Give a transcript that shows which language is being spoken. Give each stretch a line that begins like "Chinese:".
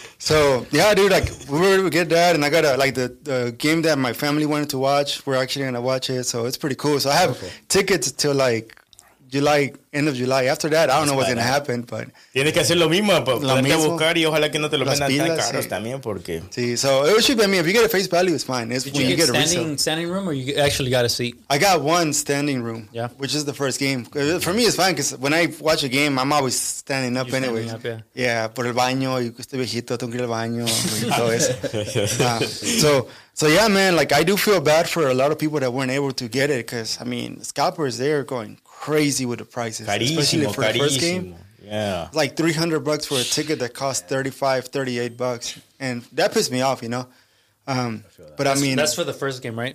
English: So, yeah, dude, like, we were able to get that, and I got, the game that my family wanted to watch, we're actually going to watch it, so it's pretty cool. So I have tickets to, like, July, end of July. After that, I don't know what's going to happen, but...
Spanish: Tienes que hacer lo mismo, para buscar y ojalá que no te lo vendan tan caros también, porque...
English: Sí, so it should be me. If you get a face value, it's fine. It's when you get a resale. Did you get standing room or you actually got a seat? I got one standing room, yeah. Which is the first game. For me, it's fine because when I watch a game, I'm always standing up anyway. Yeah,
Spanish: por el baño, y este viejito, tengo que ir al baño, y todo eso.
English: So, yeah, man, like, I do feel bad for a lot of people that weren't able to get it because, I mean, scalpers, they're going... crazy with the prices,
Spanish: carísimo,
English: especially for
Spanish: carísimo.
English: The first game. Yeah, like $300 for a ticket that cost $35-$38, and that pissed me off, you know. That's for the first game, right?